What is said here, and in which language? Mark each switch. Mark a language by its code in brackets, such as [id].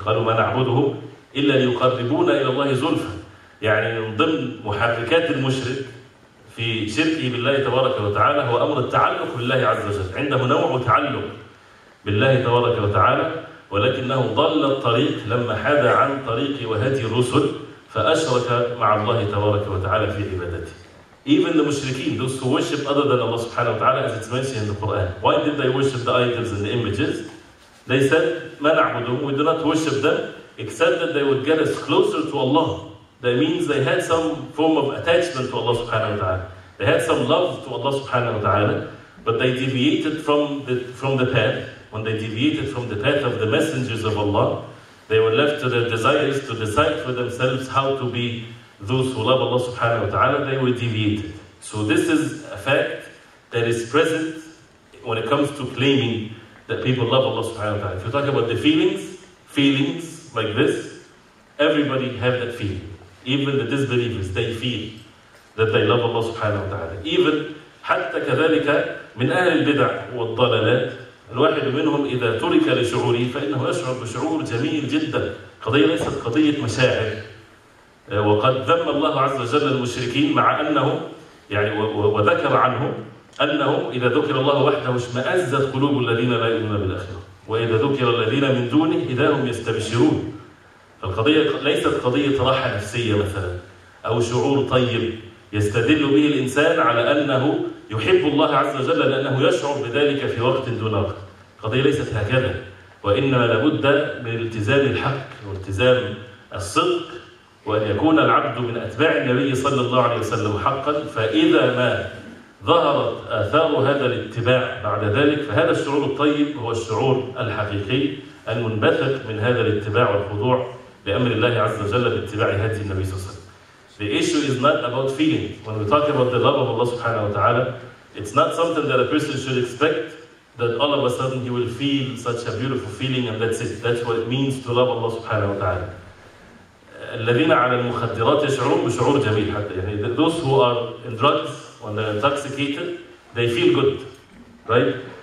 [ar] قالوا ما نعبدهم إلا ليقربونا إلى الله زلفا, يعني من ضمن محركات المشرك في شركه بالله تبارك وتعالى هو أمر التعلق بالله عز وجل, عنده نوع تعلق بالله تبارك وتعالى, ولكنه ضل الطريق لما حاد عن طريق وهدي الرسل فأشرك مع الله تبارك وتعالى في عبادته. [en] Even the mushrikeen, those who worship other than Allah subhanahu wa ta'ala, as it's mentioned in the Quran. Why did they worship the idols and the images? They said, [ar] ما نعبدهم, [en] we do not worship them, except that they would get us closer to Allah. That means they had some form of attachment to Allah subhanahu wa ta'ala. They had some love to Allah subhanahu wa ta'ala, but they deviated from the path. When they deviated from the path of the messengers of Allah, they were left to their desires to decide for themselves how to be those who love Allah subhanahu wa ta'ala, they were deviated. So this is a fact that is present when it comes to claiming that people love Allah subhanahu wa ta'ala. If you talk about the feelings like this, everybody have that feeling. Even the disbelievers, they feel that they love Allah subhanahu wa ta'ala. [ar] Even حتى كذلك من أهل البدع والضلالات الواحد منهم إذا ترك لشعوره فإنه يشعر بشعور جميل جدا. قضية ليست قضية مشاعر. وقد ذم الله عز وجل المشركين مع أنه يعني وذكر عنهم أنه إذا ذكر الله وحده اشمأزت قلوب الذين لا يؤمنون بالآخرة وإذا ذكر الذين من دونه إذا هم يستبشرون. فالقضية ليست قضية راحة نفسية مثلا أو شعور طيب يستدل به الإنسان على أنه يحب الله عز وجل لأنه يشعر بذلك في وقت دون وقت. القضية ليست هكذا, وإنما لابد من التزام الحق والتزام الصدق, وأن يكون العبد من أتباع النبي صلى الله عليه وسلم حقا. فإذا ما ظهرت آثار هذا الاتباع بعد ذلك فهذا الشعور الطيب هو الشعور الحقيقي المنبثق من هذا الاتباع والخضوع بأمر الله عز وجل باتباع هدي النبي صلى الله عليه وسلم. [en] The issue is not about feeling. When we talk about the love of Allah subhanahu wa ta'ala, it's not something that a person should expect that all of a sudden he will feel such a beautiful feeling and that's it. That's what it means to love Allah subhanahu wa ta'ala. [ar] الذين على المخدرات يشعرون بشعور جميل حتى يعني [en] those who are in drugs when they're intoxicated they feel good, right?